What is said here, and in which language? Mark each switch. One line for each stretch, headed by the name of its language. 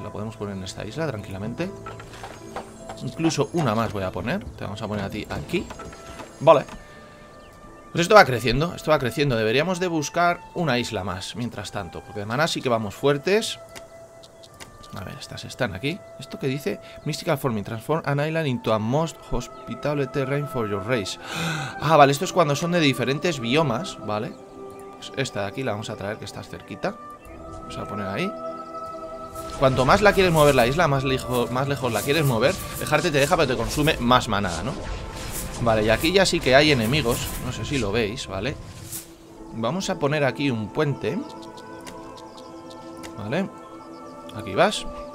Spanish: La podemos poner en esta isla tranquilamente. Incluso una más voy a poner. Te vamos a poner a ti aquí. Vale. Pues esto va creciendo, esto va creciendo. Deberíamos de buscar una isla más, mientras tanto, porque de maná sí que vamos fuertes. A ver, estas están aquí. ¿Esto qué dice?
English: Mystical Forming, transform an island into a most hospitable terrain for your race.
Spanish: Ah, vale, esto es cuando son de diferentes biomas, ¿vale? Pues esta de aquí la vamos a traer, que está cerquita. Vamos a poner ahí. Cuanto más la quieres mover la isla, más lejos la quieres mover. Dejarte te deja, pero te consume más manada, ¿no? Vale, y aquí ya sí que hay enemigos. No sé si lo veis, ¿vale? Vamos a poner aquí un puente. Vale. Aquí vas.